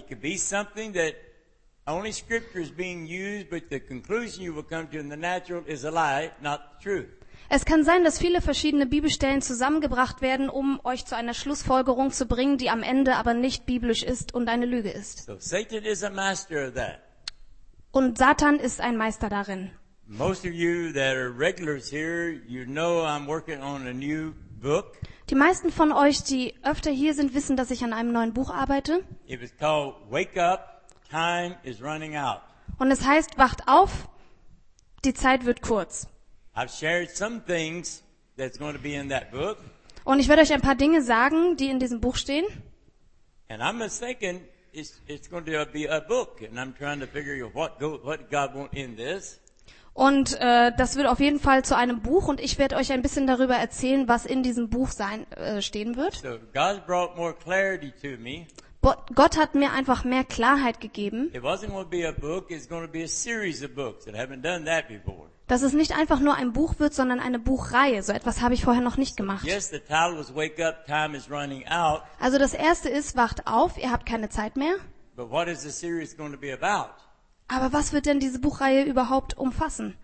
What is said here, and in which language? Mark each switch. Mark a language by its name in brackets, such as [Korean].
[German] Es kann etwas sein, [English] only scripture is being used, but the conclusion you will come to in the natural is a lie, not the truth. [German] Es kann sein, dass viele verschiedene Bibelstellen zusammengebracht werden, um euch zu einer Schlussfolgerung zu bringen, die am Ende aber nicht biblisch ist und eine Lüge ist. [English] So Satan is a master of that. [German] Und Satan ist ein Meister darin. [English] Most of you that are regulars here, you know I'm working on a new book. [German] Die meisten von euch, die öfter hier sind, wissen, dass ich an einem neuen Buch arbeite. [English] It was called Wake Up. Time is running out. [German] Und es heißt, wacht auf, die Zeit wird kurz. [English] I've shared some things that's going to be in that book. [German] Und ich werde euch ein paar Dinge sagen, die in diesem Buch stehen. [English] And I'm thinking it's going to be a book, and I'm trying to figure out what God wants in this. [German] Und das wird auf jeden Fall zu einem Buch, und ich werde euch ein bisschen darüber erzählen, was in diesem Buch stehen wird. [English] So God brought more clarity to me. [German] Gott hat mir einfach mehr Klarheit gegeben, dass es nicht einfach nur ein Buch wird, sondern eine Buchreihe. So etwas habe ich vorher noch nicht gemacht. [English] Yes, the title was Wake Up, Time is Running Out. [German] Also das erste ist, wacht auf, ihr habt keine Zeit mehr. [English] But what is the series going to be about? [German] Aber was wird denn diese Buchreihe überhaupt umfassen?